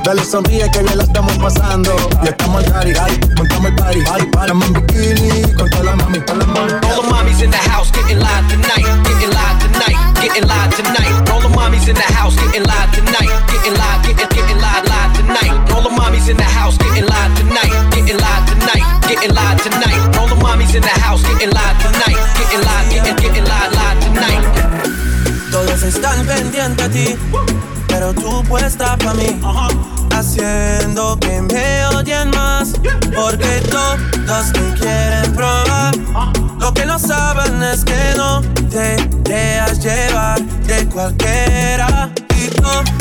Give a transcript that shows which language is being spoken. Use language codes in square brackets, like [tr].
[es] Sonríe que bien la estamos pasando. Ya estamos al party, party. Montamos el party, party. Paramos en bikini con toda la mami, toda la mami. [en] All the mommies in the house getting live tonight. Getting live tonight, getting live tonight. All the mommies in the house getting live tonight. Getting live, getting live, live tonight. All the mommies in the house getting live tonight. Getting live tonight, getting live tonight. All the mommies in the house getting live tonight. Getting live, getting live, live tonight. [es] Todos están pendientes a ti, pero tú puedes estar pa' mí. Haciendo que me odien más, porque todos te quieren probar. Lo que no saben es que no te dejas llevar de cualquiera. Y todos